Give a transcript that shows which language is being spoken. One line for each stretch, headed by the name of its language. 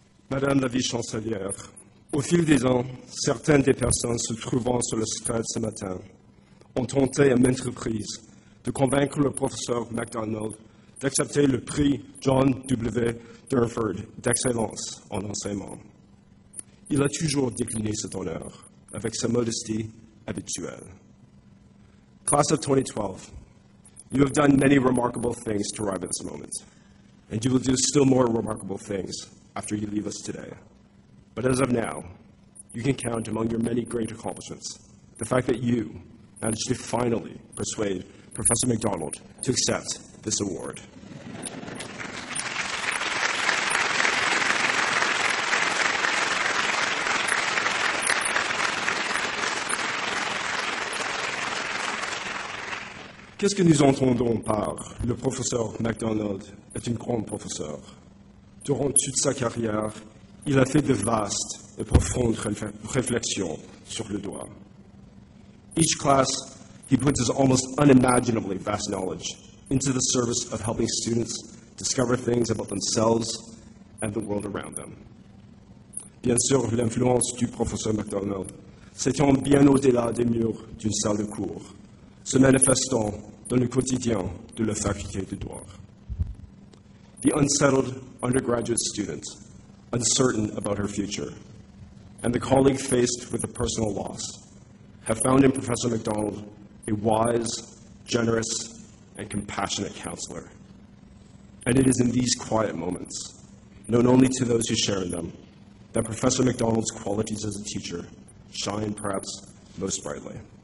French: Madame la vice-chancelière, au fil des ans, certaines des personnes se trouvant sur le stade ce matin ont tenté à maintes reprises de convaincre le professeur MacDonald d'accepter le prix John W. Durnford d'excellence en enseignement. Il a toujours décliné cet honneur avec sa modestie habituelle.
English: Class of 2012, you have done many remarkable things to arrive at this moment, and you will do still more remarkable things after you leave us today. But as of now, you can count among your many great accomplishments the fact that you managed to finally persuade Professor MacDonald to accept this award.
French: Qu'est-ce que nous entendons par le professeur MacDonald est un grand professeur? Durant toute sa carrière, il a fait de vastes et profondes réflexions sur le droit.
English: Each class, He puts his almost unimaginably vast knowledge into the service of helping students discover things about themselves and the world around them.
French: Bien sûr, l'influence du professeur McDonald s'étend bien au-delà des murs d'une salle de cours, se manifestant dans le quotidien de la faculté de droit.
English: The unsettled undergraduate student, uncertain about her future, and the colleague faced with a personal loss, have found in Professor McDonald a wise, generous, and compassionate counselor. And it is in these quiet moments, known only to those who share in them, that Professor McDonald's qualities as a teacher shine perhaps most brightly.